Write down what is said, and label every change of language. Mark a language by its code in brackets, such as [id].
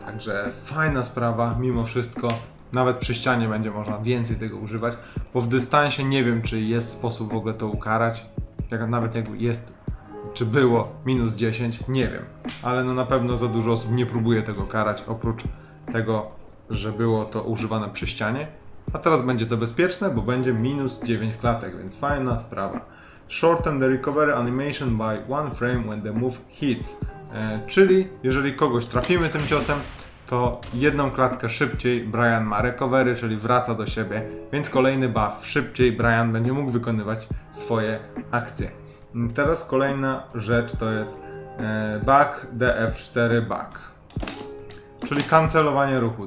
[pl] Także fajna sprawa, mimo wszystko. Nawet przy ścianie będzie można więcej tego używać, bo w dystansie nie wiem, czy jest sposób w ogóle to ukarać. Nawet jak jest, czy było minus 10, nie wiem. Ale no na pewno za dużo osób nie próbuje tego karać, oprócz tego, że było to używane przy ścianie. A teraz będzie to bezpieczne, bo będzie minus 9 klatek, więc fajna sprawa. [en] Shorten the recovery animation by one frame when the move hits. [pl] Czyli jeżeli kogoś trafimy tym ciosem, to jedną klatkę szybciej Brian ma recovery, czyli wraca do siebie, więc kolejny buff, szybciej Brian będzie mógł wykonywać swoje akcje. Teraz kolejna rzecz to jest back DF4 back, czyli kancelowanie ruchu.